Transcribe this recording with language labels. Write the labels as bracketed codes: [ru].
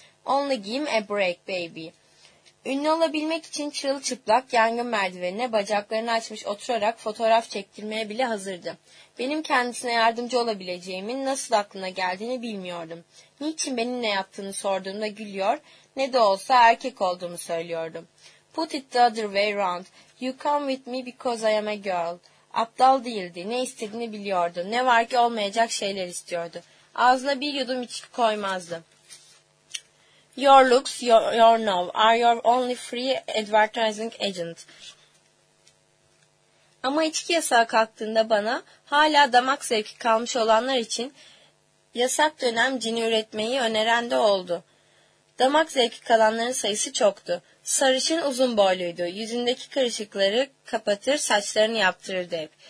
[en] Only give a break, baby. [tr] Ünlü olabilmek için çırılçıplak yangın merdivenine bacaklarını açmış oturarak fotoğraf çektirmeye bile hazırdı. Benim kendisine yardımcı olabileceğimin nasıl aklına geldiğini bilmiyordum. Niçin benimle yaptığını sorduğumda gülüyor, ne de olsa erkek olduğumu söylüyordum. [en] Put it the other way round. You come with me because I am a girl. [tr] Aptal değildi, ne istediğini biliyordu, ne var ki olmayacak şeyler istiyordu. Ağzına bir yudum içki koymazdı. [en] Your looks, your now, are your only free advertising agent. [tr] Ama içki yasağı kalktığında bana hala damak zevki kalmış olanlar için yasak dönem cini üretmeyi öneren de oldu. Damak zevki kalanların sayısı çoktu. Sarışın uzun boyluydu. Yüzündeki karışıkları kapatır, saçlarını yaptırırdı hep.